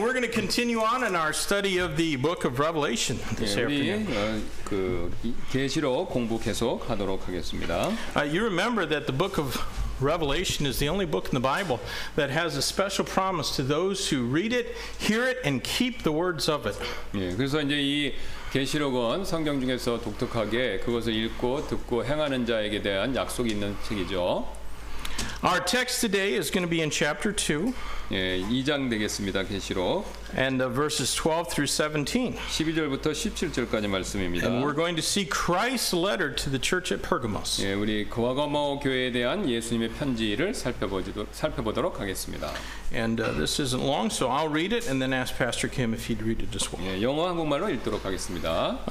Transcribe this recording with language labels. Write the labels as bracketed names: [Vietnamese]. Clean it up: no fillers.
[English] We're going to continue on in our study of the book of Revelation this afternoon. You remember that the book of Revelation is the only book in the Bible that has a special promise to those who read it, hear it, and keep the words of it. [Korean] 그래서 이제 이 계시록은 성경 중에서 독특하게 그것을 읽고 듣고 행하는 자에게 대한 약속이 있는 책이죠. [English] Our text today is going to be in chapter 2. [Korean] 예, 2장 되겠습니다. 계시록. [English] And verses 12 through 17. [Korean] 12절부터 17절까지 말씀입니다. [English] And we're going to see Christ's letter to the church at Pergamos. [Korean] 예, 우리 고아가모 교회에 대한 예수님의 편지를 살펴보도록 하겠습니다. [English] And this isn't long, so I'll read it and then ask Pastor Kim if he'd read it as well. [Korean] 예, 영어 한국말로 읽도록 하겠습니다.